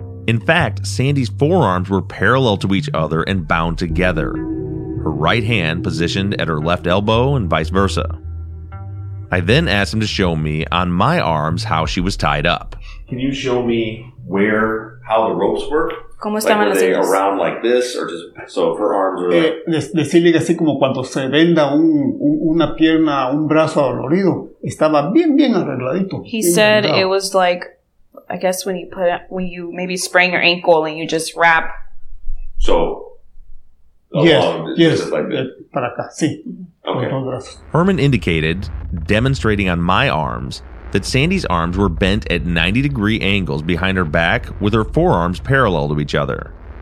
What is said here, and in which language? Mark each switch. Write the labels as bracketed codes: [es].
[en] In fact, Sandy's forearms were parallel to each other and bound together, her right hand positioned at her left elbow and vice versa. I then asked him to show me on my arms how she was tied up. Can you show me where, how the ropes were? [es] ¿Cómo estaban las [en] were they ellas? Around like this, or just, so if her arms were like... [es] Decirle así como cuando se venda una pierna, un brazo adolorido. Estaba bien arregladito. [en] He said it was like I guess when you put it, when you maybe sprain your ankle and you just wrap. So. Yes. [es] Para acá, sí. [en] Okay. Herman indicated, demonstrating on my arms, that Sandy's arms were bent at 90-degree angles behind her back with her forearms parallel to each other.